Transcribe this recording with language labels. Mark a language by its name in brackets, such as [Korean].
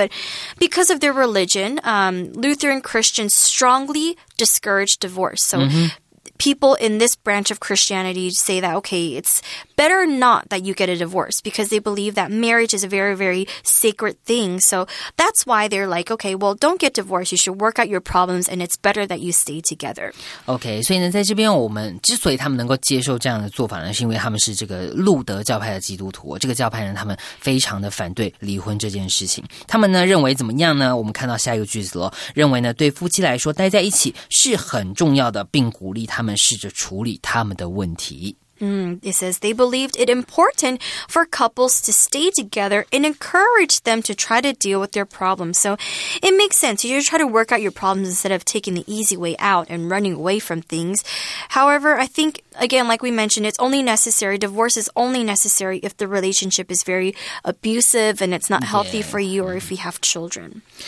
[English] But because of their religion, Lutheran Christians strongly discourage divorce. So people in this branch of Christianity say that, okay, it's better not that you get a divorce because they believe that marriage is a very, very sacred thing. So that's why they're like, okay, well, don't get divorced. You should work out your problems and it's better that you stay together. [Chinese] Okay, 所以呢在这边我们之所以他们能够接受这样的做法呢是因为他们是这个路德教派的基督徒。这个教派呢他们非常的反对离婚这件事情。他们呢认为怎么样呢我们看到下一个句子了。认为呢对夫妻来说待在一起是很重要的并鼓励他们试着处理他们的问题。 [English] It says they believed it important for couples to stay together and encourage them to try to deal with their problems. So it makes sense. You just try to work out your problems instead of taking the easy way out and running away from things. However, I think, again, like we mentioned, it's only necessary. Divorce is only necessary if the relationship is very abusive and it's not healthy for you or if you have children.